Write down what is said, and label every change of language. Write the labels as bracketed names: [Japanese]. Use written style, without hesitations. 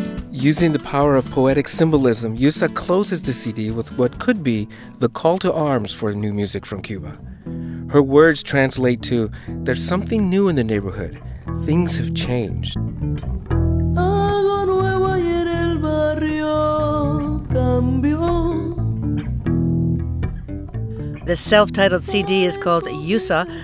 [English] Using the power of poetic symbolism, Yusa closes the CD with what could be the call to arms for new music from Cuba. Her words translate to, there's something new in the neighborhood. Things have changed. [Spanish] Algo nuevo hay en el barrio cambió. [English] The self-titled CD is called Yusa.